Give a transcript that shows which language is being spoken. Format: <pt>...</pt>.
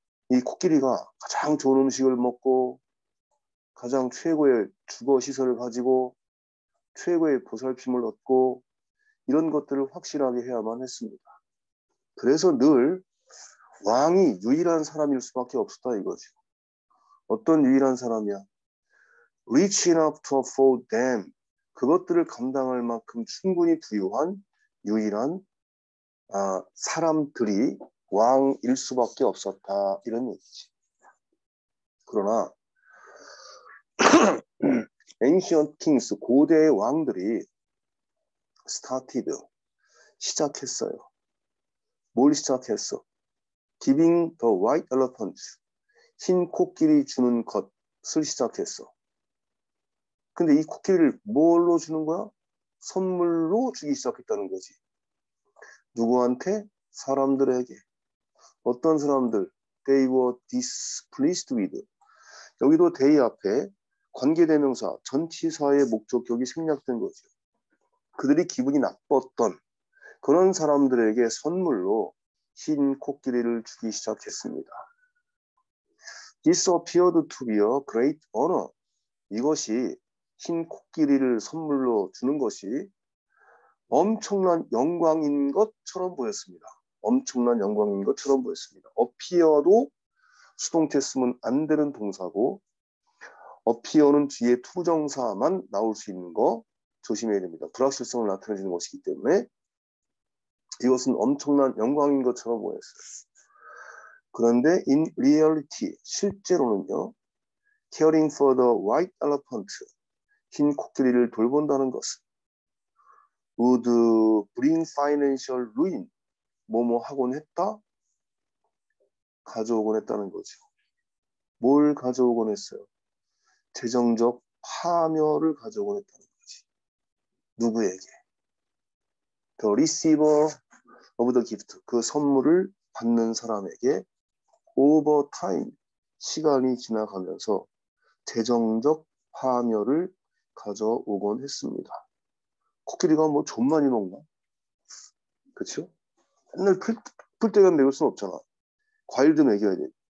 <ko>이 코끼리가 가장 좋은 음식을 먹고 가장 최고의 주거 시설을 가지고 최고의 보살핌을 얻고 이런 것들을 확실하게 해야만 했습니다. 그래서 늘 왕이 유일한 사람일 수밖에 없었다 이거죠. 어떤 유일한 사람이야?</ko> <en>Rich enough to afford them.</en> <ko>그것들을 감당할 만큼 충분히 부유한 유일한 사람들이 왕일 수밖에 없었다 이런 얘기지. 그러나 Ancient Kings 고대의 왕들이 started 시작했어요. 뭘 시작했어?</ko> <en>Giving the white elephant</en> <ko>흰 코끼리 주는 것을 시작했어. 근데 이 코끼리를 뭘로 주는 거야? 선물로 주기 시작했다는 거지. 누구한테? 사람들에게. 어떤 사람들?</ko> <en>They were displeased with.</en> <ko>여기도 they 앞에 관계대명사, 전치사의 목적격이 생략된 거죠. 그들이 기분이 나빴던 그런 사람들에게 선물로 흰 코끼리를 주기 시작했습니다.</ko> <en>This appeared to be a great honor.</en> <ko>이것이 흰 코끼리를 선물로 주는 것이 엄청난 영광인 것처럼 보였습니다. 엄청난 영광인 것처럼 보였습니다. appear도 수동태 쓰면 안 되는 동사고, appear는 뒤에 투정사만 나올 수 있는 거 조심해야 됩니다. 불확실성을 나타내는 것이기 때문에 이것은 엄청난 영광인 것처럼 보였어요. 그런데</ko> <en>in reality,</en> <ko>실제로는요,</ko> <en>caring for the white elephant,</en> <ko>흰 코끼리를 돌본다는 것은</ko> <en>would bring financial ruin.</en> <ko>뭐뭐 하곤 했다? 가져오곤 했다는 거죠. 뭘 가져오곤 했어요? 재정적 파멸을 가져오곤 했다는 거지. 누구에게?</ko> <en>The receiver of the gift.</en> <ko>그 선물을 받는 사람에게</ko> <en>over time.</en> <ko>시간이 지나가면서 재정적 파멸을 가져오곤 했습니다. 코끼리가 뭐좀 많이 먹나? 그렇죠? 맨날 풀떼가 먹을 순 없잖아. 과일도 먹여야 돼.</ko>